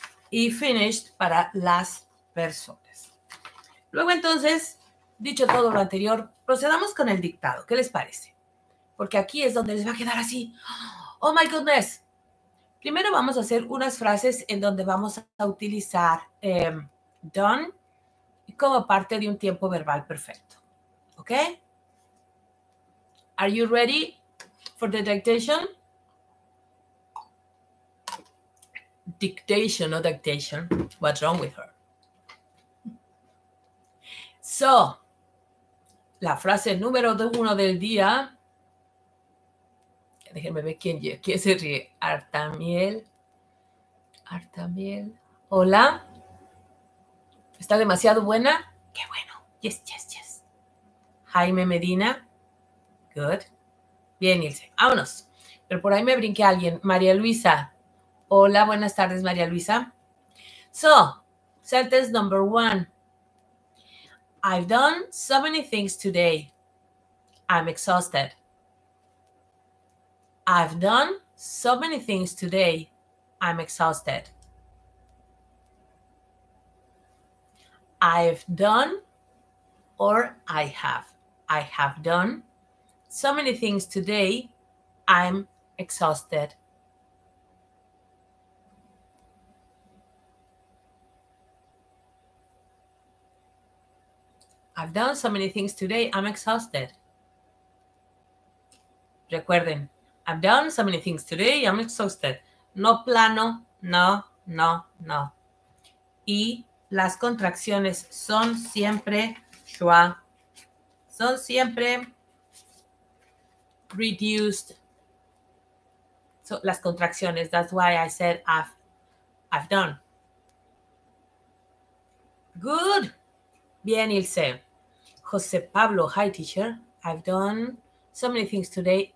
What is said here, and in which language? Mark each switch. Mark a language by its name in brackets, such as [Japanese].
[Spanish] Y finished para las personas. Luego entonces, dicho todo lo anterior, procedamos con el dictado. ¿Qué les parece? Porque aquí es donde les va a quedar así. [English] ¡Oh, my goodness! [Spanish] Primero vamos a hacer unas frases en donde vamos a utilizar done como parte de un tiempo verbal perfecto. ¿Ok? [English] Are you ready for the dictation? Dictation, no dictation. What's wrong with her? [Spanish] So, la frase número uno del día. Déjenme ver quién se ríe. Artamiel. Artamiel. Hola. ¿Está demasiado buena? Qué bueno. [English] Yes, yes, yes. [Spanish] Jaime Medina. Good. Bien, Ilse. Vámonos. Pero por ahí me brinqué alguien. María Luisa. Hola, buenas tardes, María Luisa. [English] So, sentence number one. I've done so many things today. I'm exhausted. I've done so many things today. I'm exhausted. I've done or I have done so many things today. I'm exhausted. I've done so many things today. I'm exhausted. [Spanish] Recuerden, [English] I've done so many things today. I'm exhausted. [Spanish] No plano, no, no, no. Y las contracciones son siempre schwa, son siempre reduced. [English] So, [Spanish] las contracciones, [English] that's why I said I've done. Good. [Spanish] Bien, [English] Ilse. José Pablo, hi teacher. I've done so many things today.